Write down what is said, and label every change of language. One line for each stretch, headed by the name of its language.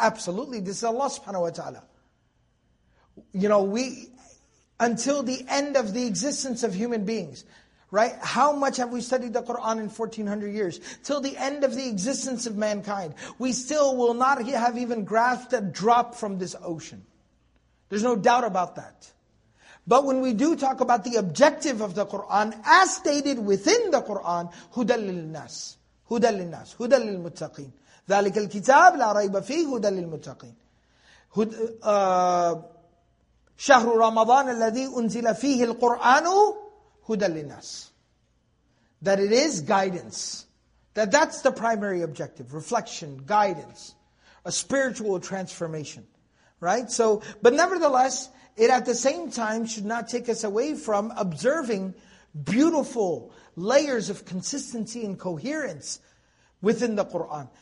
English: Absolutely, this is Allah subhanahu wa ta'ala. You know, we, until the end of the existence of human beings, right? How much have we studied the Qur'an in 1400 years? Till the end of the existence of mankind, we still will not have even grasped a drop from this ocean. There's no doubt about that. But when we do talk about the objective of the Qur'an,
Arabic: as stated within the Qur'an, هُدَى لِلنَّاسِ, هُدَى لِلْمُتَّقِينَ ذَلِكَ الْكِتَابِ لَا رَيْبَ فِيهُ هُدَى لِلْمُتَّقِينَ شَهْرُ رَمَضَانَ الَّذِي أُنزِلَ فِيهِ الْقُرْآنُ هُدَى لِلنَّاسِ.
English: That it is guidance. That's the primary objective, reflection, guidance, a spiritual transformation. Right? So, but nevertheless, it at the same time should not take us away from observing beautiful layers of consistency and coherence within the Qur'an.